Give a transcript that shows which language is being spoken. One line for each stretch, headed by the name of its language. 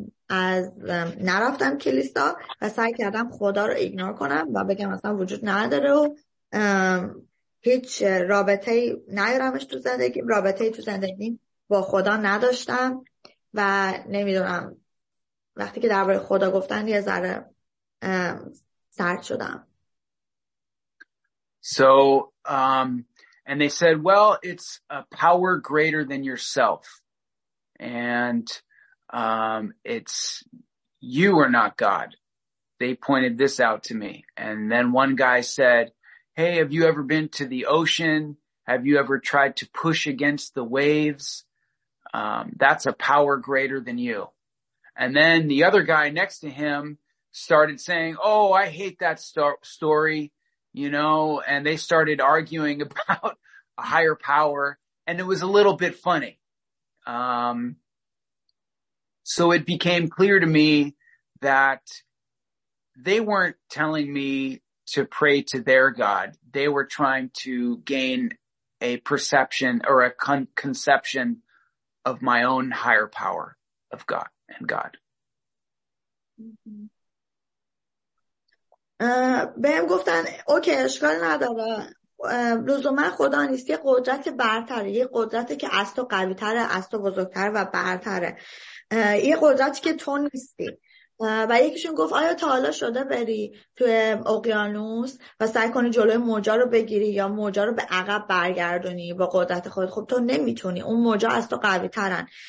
Persian: از نرفتم کلیسا و سعی کردم خدا رو ایگنور کنم و بگم اصلا وجود نداره و هیچ رابطه‌ای نیارمش تو زندگی، رابطه‌ای تو زندگی با خدا نداشتم و نمیدونم، وقتی که درباره خدا گفتن یه ذره سرد شدم.
English: So and they said, well, it's a power greater than yourself. And it's you are not God. They pointed this out to me. And then one guy said, hey, have you ever been to the ocean? Have you ever tried to push against the waves? That's a power greater than you. And then the other guy next to him started saying, oh, I hate that story. You know, and they started arguing about a higher power, and it was a little bit funny. So it became clear to me that they weren't telling me to pray to their God. They were trying to gain a perception or a conception of my own higher power of God and God. Mm-hmm.
Persian: بهم گفتن اوکی اشکال نداره، لزوما خدا نیست، یه قدرت برتره، یه قدرتی که از تو قوی تره، از تو بزرگتر و برتره، یه قدرتی که تو نیستی. و یکیشون گفت آیا تا حالا شده بری توی اقیانوس و سعی کنی جلوی موجا رو بگیری یا موجا رو به عقب برگردونی با قدرت خود؟ خب تو نمیتونی، اون موجا از تو قوی ترن.